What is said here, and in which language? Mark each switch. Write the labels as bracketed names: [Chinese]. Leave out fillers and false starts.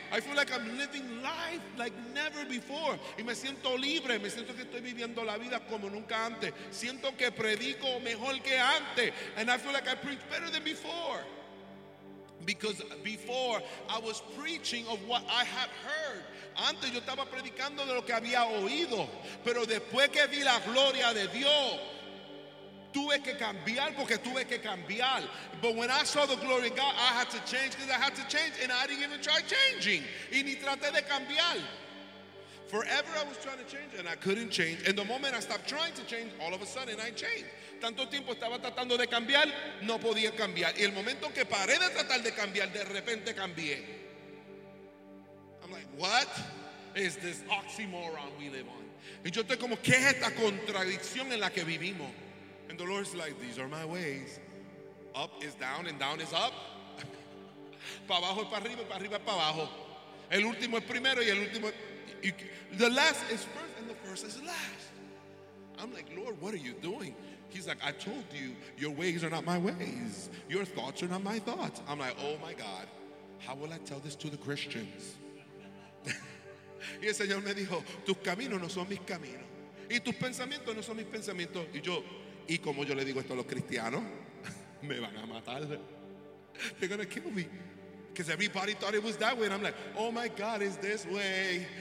[English] I feel like I'm living life like never before. [Spanish] Y me siento libre. Me siento que estoy viviendo la vida como nunca antes. Siento que predico mejor que antes. [English] And I feel like I preach better than before. Because before I was preaching of what I had heard. [Spanish] Antes yo estaba predicando de lo que había oído. Pero después que vi la gloria de Dios, tuve que cambiar porque tuve que cambiar. [English] But when I saw the glory of God, I had to change because I had to change. And I didn't even try changing. [Spanish] Y ni traté de cambiar. [English] Forever I was trying to change and I couldn't change. And the moment I stopped trying to change, all of a sudden I changed. [Spanish] Tanto tiempo estaba tratando de cambiar, no podía cambiar. Y el momento que paré de tratar de cambiar, de repente cambié. [English] I'm like, what is this oxymoron we live on? [Spanish] Y yo estoy como, ¿qué es esta contradicción en la que vivimos? [English] And the Lord's like, these are my ways. Up is down and down is up. [Spanish] Para abajo es para arriba es para abajo. El último es primero y el último es... [English] The last is first and the first is last. I'm like, Lord, what are you doing? He's like, I told you, your ways are not my ways. Your thoughts are not my thoughts. I'm like, oh my God, how will I tell this to the Christians? [Spanish] Y el Señor me dijo, tus caminos no son mis caminos. Y tus pensamientos no son mis pensamientos. Y yo, y como yo le digo esto a los cristianos, me van a matar. [English] They're going to kill me. Because everybody thought it was that way. And I'm like, oh my God, it's this way.